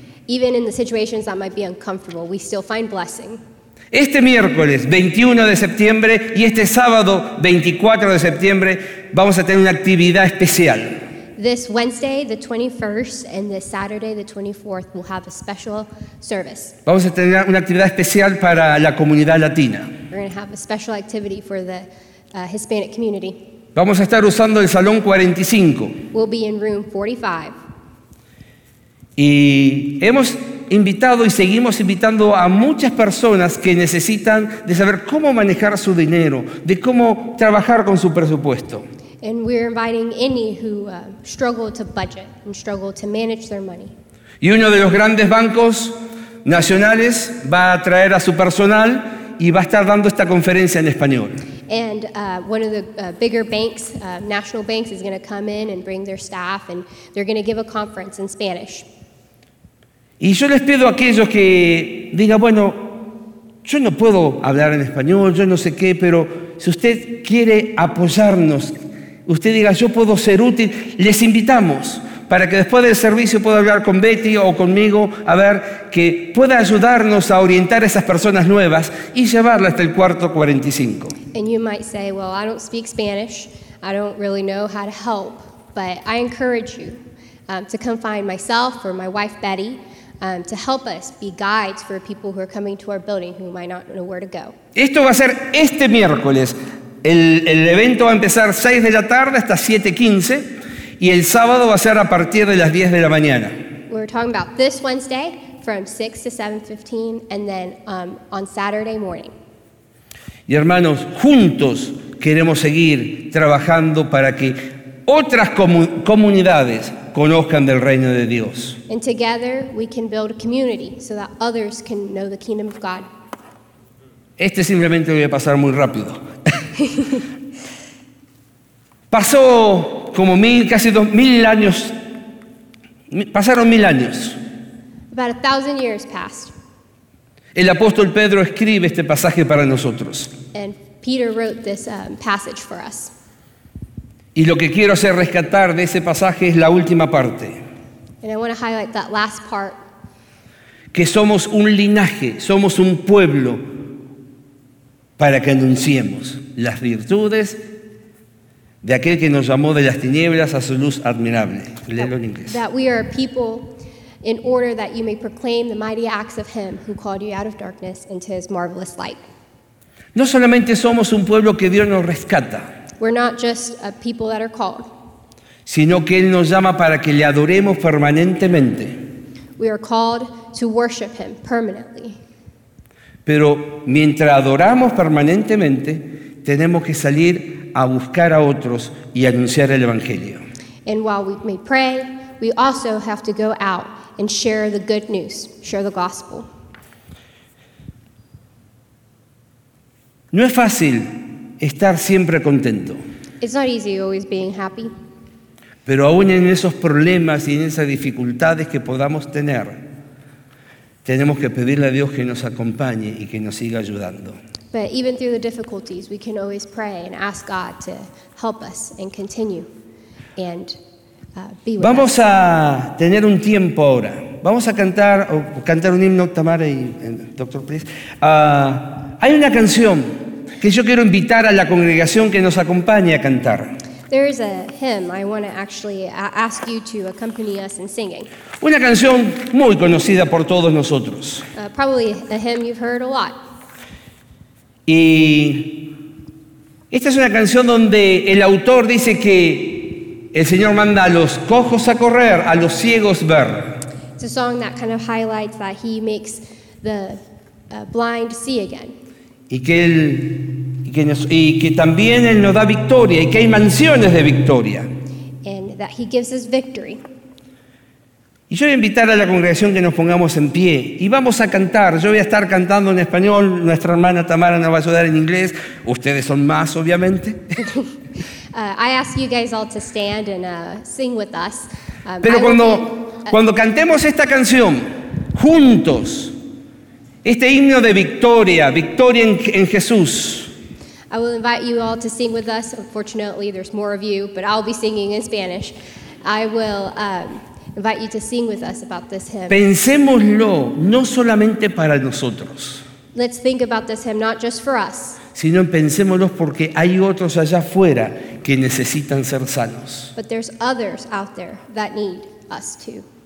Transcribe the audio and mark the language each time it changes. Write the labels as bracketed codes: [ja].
[en] Even in the situations that might be uncomfortable, we still find blessing. [es] Este miércoles 21 de septiembre y este sábado 24 de septiembre vamos a tener una actividad especial. [en] This Wednesday, the 21st, and this Saturday, the 24th, we'll have a special service. [es] Vamos a tener una actividad especial para la comunidad latina. [en] We're going to have a special activity for the Hispanic community. [es] Vamos a estar usando el salón 45. [en] We'll be in room 45. [es] Y hemos invitado y seguimos invitando a muchas personas que necesitan de saber cómo manejar su dinero, de cómo trabajar con su presupuesto. [en] And we're inviting any who struggle to budget and struggle to manage their money. [es] Y uno de los grandes bancos nacionales va a traer a su personal y va a estar dando esta conferencia en español. [en] And one of the bigger banks, national banks, is going to come in and bring their staff and they're going to give a conference in Spanish. [es] Y yo les pido a aquellos que digan, bueno, yo no puedo hablar en español, yo no sé qué, pero si usted quiere apoyarnos, usted diga, yo puedo ser útil, les invitamos para que después del servicio pueda hablar con Betty o conmigo, a ver, que pueda ayudarnos a orientar a esas personas nuevas y llevarlas hasta el cuarto 45. [en] And you might say, well, I don't speak Spanish, I don't really know how to help, but I encourage you to come find myself or my wife Betty to help us be guides for people who are coming to our building who might not know where to go. [es] Esto va a ser este miércoles. El evento va a empezar 6 de la tarde hasta 7:15 y el sábado va a ser a partir de las 10 de la mañana. [en] We're talking about this Wednesday from 6 to 7:15 and then on Saturday morning. [es] Y hermanos, juntos queremos seguir trabajando para que otras comunidades conozcan del reino de Dios. [en] And together we can build a community so that others can know the kingdom of God. [es] Este simplemente voy a pasar muy rápido. Pasó como pasaron mil años. [en] About a thousand years passed. [es] El apóstol Pedro escribe este pasaje para nosotros. [en] And Peter wrote this passage for us. [es] Y lo que quiero hacer rescatar de ese pasaje es la última parte. [en] And I want to highlight that last part. [es] Que somos un linaje, somos un pueblo para que anunciemos las virtudes de aquel que nos llamó de las tinieblas a su luz admirable. Léelo en inglés. [en] That we are a people in order that you may proclaim the mighty acts of him who called you out of darkness into his marvelous light. [es] No solamente somos un pueblo que Dios nos rescata. [en] We're not just a people that are called. [es] sino que Él nos llama para que le adoremos permanentemente. [en] We are called to worship Him permanently. [es] Pero mientras adoramos permanentemente, tenemos que salir a buscar a otros y anunciar el Evangelio. [en] And while we may pray, we also have to go out and share the good news, share the gospel. [es] No es fácil estar siempre contento. [en] It's not easy always being happy. [es] Pero aún en esos problemas y en esas dificultades que podamos tener, tenemos que pedirle a Dios que nos acompañe y que nos siga ayudando. [en] But even through the difficulties, we can always pray and ask God to help us and continue and be with us. [es] Vamos a tener un tiempo ahora. Vamos a cantar un himno, Tamara y Dr. Pris. Hay una canción que yo quiero invitar a la congregación que nos acompañe a cantar. [en] There is a hymn I want to actually ask you to accompany us in singing. [es] Una canción muy conocida por todos nosotros. [en] Probably a hymn you've heard a lot. [es] Y esta es una canción donde el autor dice que el Señor manda a los cojos a correr, a los ciegos ver. [en] It's a song that kind of highlights that He makes the blind see again. [es] Y que también Él nos da victoria y que hay mansiones de victoria. [en] And that He gives us victory. [es] Y yo voy a invitar a la congregación que nos pongamos en pie y vamos a cantar. Yo voy a estar cantando en español, nuestra hermana Tamara nos va a ayudar en inglés, ustedes son más, obviamente. [en] I ask you guys all to stand and sing with us. [es] Pero cuando cantemos esta canción juntos, este himno de victoria, victoria en Jesús. [en] I will invite you all to sing with us. Unfortunately, there's more of you, but I'll be singing in Spanish. I will invite you to sing with us about this hymn. [es] Pensémoslo, no solamente para nosotros. [en] Let's think about this hymn, not just for us. [es] Sino pensémoslo porque hay otros allá afuera que necesitan ser sanos. [en] But there's others out there that need us too.